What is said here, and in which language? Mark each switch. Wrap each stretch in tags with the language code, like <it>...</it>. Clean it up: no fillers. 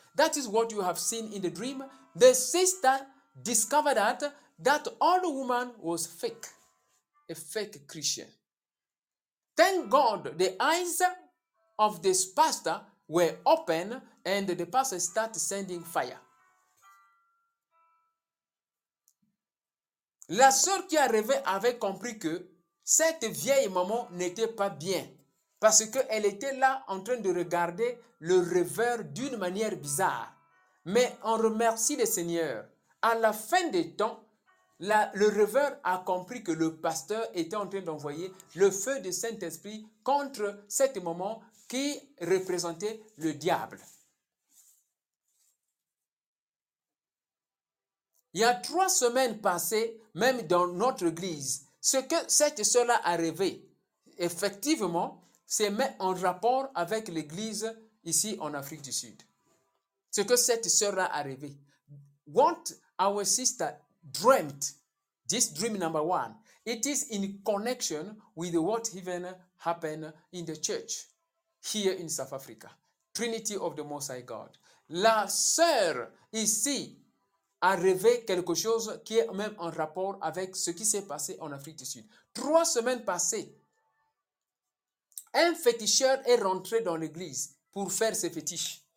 <en>That is what you have seen in the dream. The sister discovered that old woman was fake, a fake Christian. Thank God the eyes of this pastor were open and the pastor started sending fire.</en> <fr>La sœur qui arrivait avait compris que cette vieille maman n'était pas bien parce qu'elle était là en train de regarder le rêveur d'une manière bizarre. Mais on remercie le Seigneur. À la fin des temps, le rêveur a compris que le pasteur était en train d'envoyer le feu du Saint-Esprit contre cette maman qui représentait le diable. Il y a 3 semaines passées, même dans notre église, ce que cette sœur-là a rêvé, effectivement, c'est mis en rapport avec l'église ici en Afrique du Sud. Ce que cette sœur-là a rêvé.</fr> <en>What our sister dreamt, this dream number one, it is in connection with what even happened in the church here in South Africa. Trinity of the Most High God.</en> <fr>La sœur ici a rêvé quelque chose qui est même en rapport avec ce qui s'est passé en Afrique du Sud. 3 semaines passées, un féticheur est rentré dans l'église pour faire ses fétiches.</fr>